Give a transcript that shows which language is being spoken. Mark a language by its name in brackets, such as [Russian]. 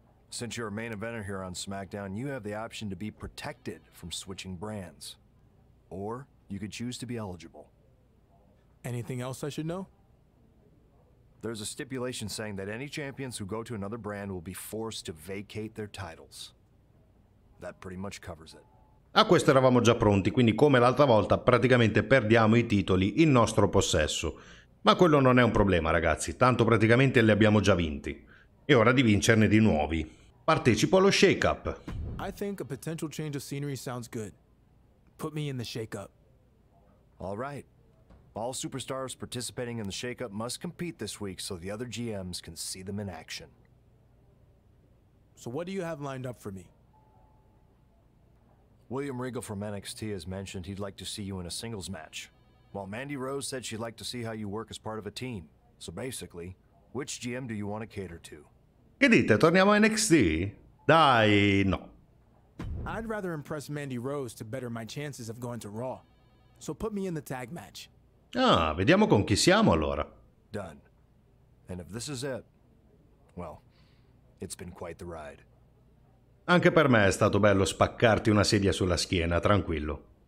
[English] Since you're a main eventer here on SmackDown, you have the option to be protected from switching brands, or you could choose to be eligible. Anything else I should know? There's a stipulation saying that any champions who go to another brand will be forced to vacate their titles. That pretty much covers it. [Italian] A questo eravamo già pronti, quindi come l'altra volta praticamente perdiamo i titoli in nostro possesso. Ma quello non è un problema ragazzi, tanto praticamente li abbiamo già vinti. È ora di vincerne di nuovi. Partecipo allo shake-up. [English] I think a potential change of scenery sounds good. Put me in the shake-up. All right. All superstars participating in the shake-up must compete this week so the other GMs can see them in action. So what do you have lined up for me? William Regal from NXT has mentioned he'd like to see you in a singles match. While Mandy Rose said she'd like to see how you work as part of a team. So basically, which GM do you want to cater to? [Italian] Che dite? Torniamo a NXT? Dai, no. [English] I'd rather impress Mandy Rose to better my chances of going to Raw. So put me in the tag match. [Italian] Ah, vediamo con chi siamo allora. [English] Done. And if this is it, well, it's been quite the ride. [Italian] Anche per me è stato bello spaccarti una sedia sulla schiena, tranquillo.